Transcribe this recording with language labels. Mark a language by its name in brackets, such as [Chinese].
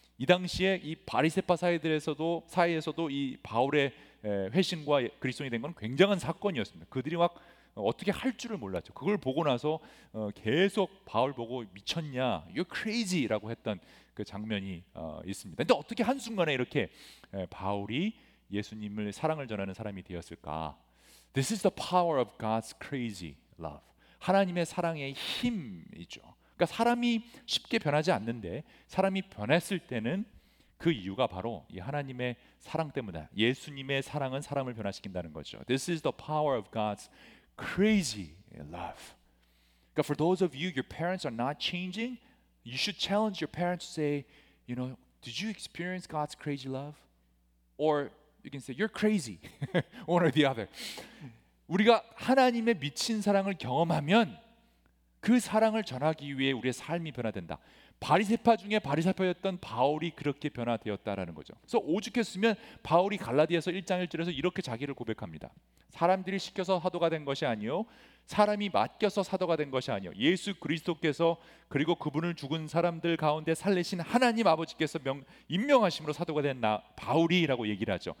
[Korean] 이 당시에 이 바리새파 사이에서도 이 바울의 회신과 그리스도인이 된 건 굉장한 사건이었습니다. 그들이 막 어떻게 할 줄을 몰랐죠. 그걸 보고 나서 계속 바울 보고 미쳤냐, You're crazy 라고 했던 그 장면이 있습니다. 근데 어떻게 한순간에 이렇게 바울이 예수님을 사랑을 전하는 사람이 되었을까? [English] This is the power of God's crazy love. [Korean] 하나님의 사랑의 힘이죠. 그러니까 사람이 쉽게 변하지 않는데 사람이 변했을 때는 그 이유가 바로 이 하나님의 사랑 때문이다. 예수님의 사랑은 사람을 변화시킨다는 거죠. [English] This is the power of God's crazy love. 그러니까 for those of you, your parents are not changing, you should challenge your parents to say, you know, did you experience God's crazy love? Or you can say, you're crazy, one or the other. [Korean] 우리가 하나님의 미친 사랑을 경험하면 그 사랑을 전하기 위해 우리의 삶이 변화된다. 바리새파 중에 바리새파였던 바울이 그렇게 변화되었다라는 거죠. 그래서 오죽했으면 바울이 갈라디아서 1장 1절에서 이렇게 자기를 고백합니다. 사람들이 시켜서 사도가 된 것이 아니요, 사람이 맡겨서 사도가 된 것이 아니요, 예수 그리스도께서 그리고 그분을 죽은 사람들 가운데 살리신 하나님 아버지께서 임명하심으로 사도가 된 나 바울이라고 얘기를 하죠.